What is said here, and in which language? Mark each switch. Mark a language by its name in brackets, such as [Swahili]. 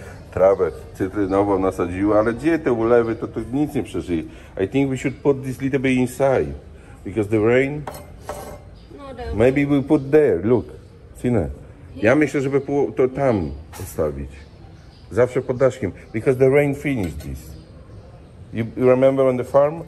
[Polish] Trawę cytrynową nasadziła, ale gdzie te ulewy, to nic nie przeżyje. [English] I think we should put this little bit inside. Because the rain... No, maybe we put there, look. Cine. [Polish] Ja myślę, żeby to tam postawić. Zawsze pod daszkiem. [English] Because the rain finished this. You remember on the farm?